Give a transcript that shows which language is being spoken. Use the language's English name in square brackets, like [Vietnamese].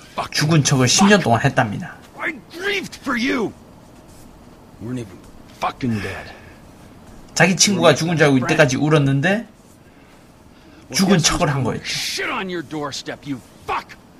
[Korean] 죽은 척을 10년 동안 했답니다. [English] I grieved for you. Weren't even fucking dead. [Korean] 자기 친구가 죽은 줄 알고 이때까지 울었는데 죽은 척을 한 거였지. [English] Shit on your doorstep, you fuck.